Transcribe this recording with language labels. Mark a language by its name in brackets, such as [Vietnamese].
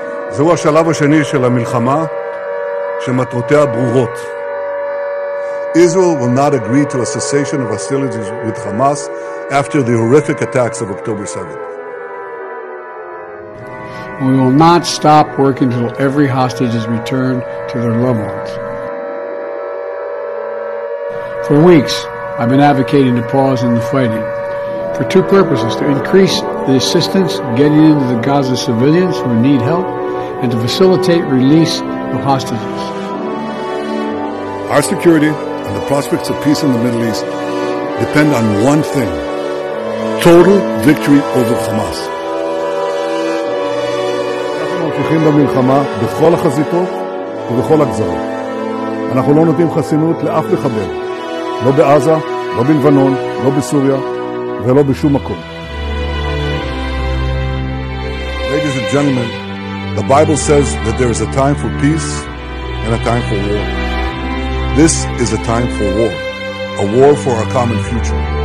[Hebrew] זהו השלב השני של המלחמה שמטרותיה ברורות. [English] Israel will not agree to a cessation of hostilities with Hamas after the horrific attacks of October 7th. We will not stop working until every hostage is returned to their loved ones. For weeks, I've been advocating to pause in the fighting for two purposes: to increase the assistance getting into the Gaza civilians who need help, and to facilitate release of hostages. Our security and the prospects of peace in the Middle East depend on one thing: total victory over Hamas. [Hebrew] אנחנו ממשיכים במלחמה בכל החזיתות ובכל הגזרות. אנחנו לא נותנים חסינות לאף מחבל, לא בעזה, לא בלבנון, לא בסוריה ולא בשום מקום. [English] Ladies and gentlemen, the Bible says that there is a time for peace and a time for war. This is a time for war, a war for our common future.